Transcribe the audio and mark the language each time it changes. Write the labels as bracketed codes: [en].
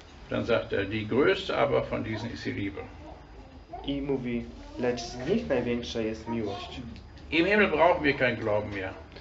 [de] Dann sagt er, die größte aber von diesen ist die Liebe. [pl] I mówi, lecz z nich największa jest miłość. [de] Im Himmel brauchen wir keinen Glauben mehr.